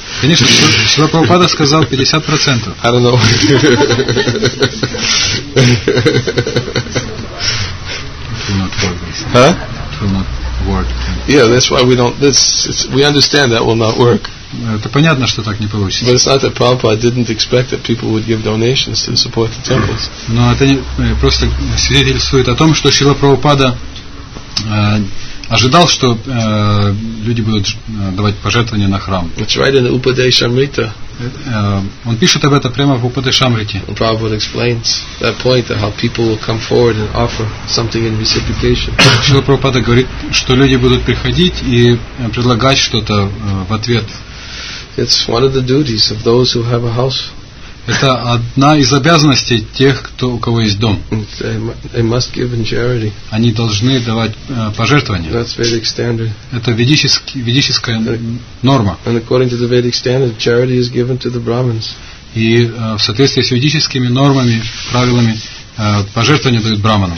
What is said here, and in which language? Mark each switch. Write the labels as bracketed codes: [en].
[ru] Конечно, Шрила Прабхупада сказал 50%. [en] I don't know. It will not work. Huh? It will not work. Yeah, that's why we don't. We understand that will not work. [ru] Это понятно, что так не получится. [en] But it's not that Prabhupada didn't expect that people would give donations to support the temples. [ru] Но это просто свидетельствует о том, что Шрила Прабхупада ожидал, что люди будут давать пожертвования на храм. [en] It's right in the Upadeshamrita. [ru] Он пишет об этом прямо в Упадешамрите. [en] Prabhupada explains that point that how people will come forward and offer something in reciprocation. [ru] Шрила Прабхупада говорит, что люди будут приходить и предлагать что-то в ответ. [en] It's one of the duties of those who have a house. [ru] Это одна из обязанностей тех, кто у кого есть дом. [en] They must give in charity. [ru] Они должны давать пожертвования. [en] That's Vedic standard. [ru] Это ведическая норма. [en] And according to the Vedic standard, charity is given to the Brahmins. [ru] И в соответствии с ведическими нормами, правилами, пожертвования дают брахманам.